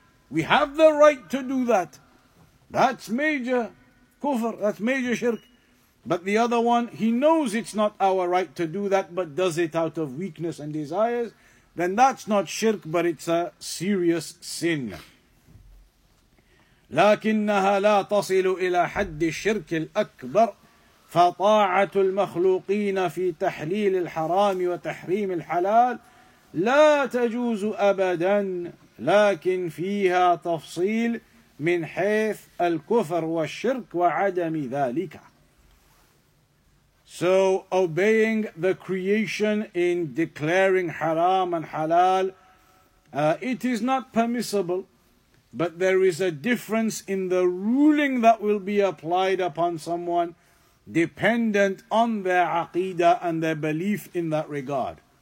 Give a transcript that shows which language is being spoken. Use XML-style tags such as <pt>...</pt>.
<en>We have the right to do that. That's major kufr, that's major shirk. But the other one, he knows it's not our right to do that, but does it out of weakness and desires, then that's not shirk, but it's a serious sin.</en> <ar>لكنها لا تصل إلى حد الشرك الأكبر فطاعة المخلوقين في تحليل الحرام وتحريم الحلال لا تجوز أبدا لكن فيها تفصيل من حيث الكفر والشرك وعدم ذلك.</ar> <en>So obeying the creation in declaring haram and halal, it is not permissible, but there is a difference in the ruling that will be applied upon someone dependent on their aqidah and their belief in that regard.</en>